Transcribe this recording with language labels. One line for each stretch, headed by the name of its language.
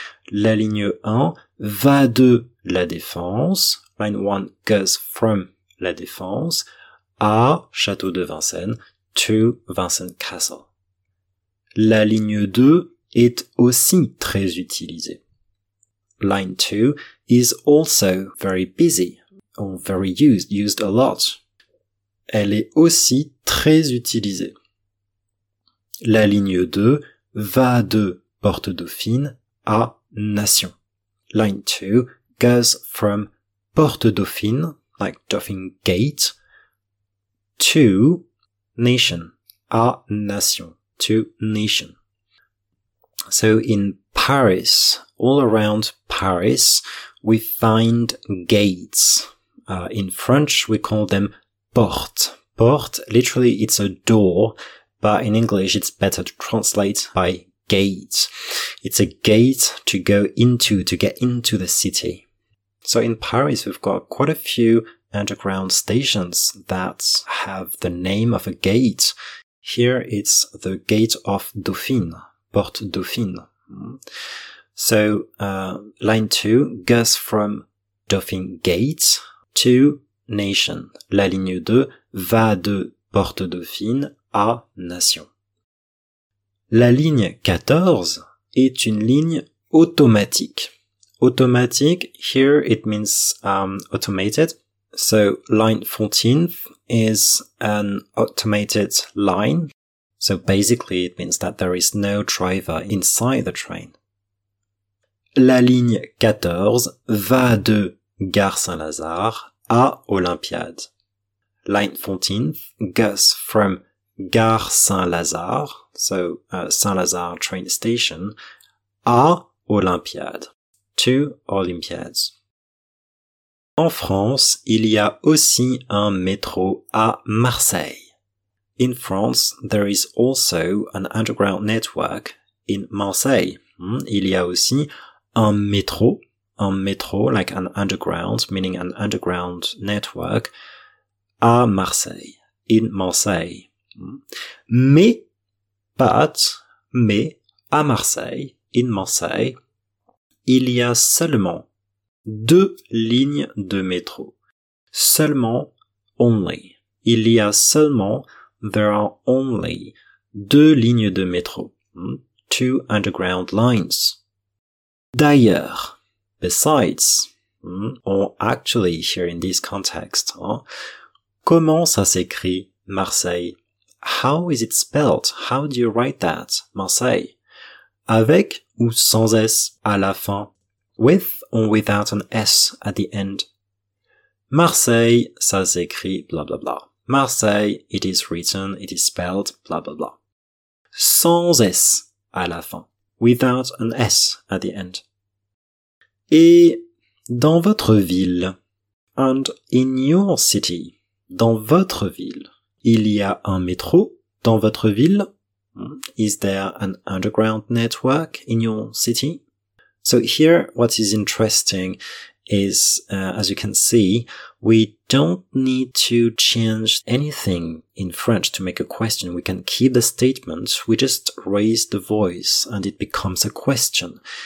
French: La ligne 1 va de La Défense.
English: Line 1 goes from La Défense à Château de Vincennes, to Vincennes Castle.
French: La ligne 2 est aussi très utilisée.
English: Line 2 is also very busy, or very used, used a lot.
French: Elle est aussi très utilisée. La ligne 2 va de Porte Dauphine à Nation.
English: Line 2 goes from Porte Dauphine, like Dauphin Gate, to Nation, à Nation, to Nation. So in Paris, all around Paris, we find gates. In French, we call them portes. Porte, literally, it's a door, but in English, it's better to translate by gate. It's a gate to go into, to get into the city. So in Paris, we've got quite a few underground stations that have the name of a gate. Here it's the Gate of Dauphine, Porte Dauphine. So line 2 goes from Dauphine Gate to Nation.
French: La ligne 2 va de Porte Dauphine à Nation. La ligne 14 est une ligne automatique.
English: Automatique, here it means automated. So line 14th is an automated line. So basically it means that there is no driver inside the train.
French: La ligne 14 va de Gare Saint-Lazare à Olympiade.
English: Line 14th goes from Gare Saint-Lazare, so Saint-Lazare train station, à Olympiade. To Olympiades.
French: En France, il y a aussi un métro à Marseille.
English: In France, there is also an underground network in Marseille.
French: Il y a aussi un métro,
English: like an underground, meaning an underground network,
French: à Marseille,
English: in Marseille.
French: Mais, à Marseille,
English: in Marseille,
French: il y a seulement deux lignes de métro. Seulement, only. Il y a seulement,
English: there are only,
French: deux lignes de métro.
English: Two underground lines.
French: D'ailleurs,
English: besides, or actually, here in this context,
French: comment ça s'écrit Marseille?
English: How is it spelled? How do you write that, Marseille?
French: Avec ou sans S à la fin?
English: With or without an S at the end?
French: Marseille, ça s'écrit blah blah blah.
English: Marseille, it is written, it is spelled, blah blah blah.
French: Sans S à la fin.
English: Without an S at the end.
French: Et dans votre ville,
English: and in your city,
French: dans votre ville, il y a un métro dans votre ville?
English: Is there an underground network in your city? So here, what is interesting is, as you can see, we don't need to change anything in French to make a question. We can keep the statement, we just raise the voice and it becomes a question.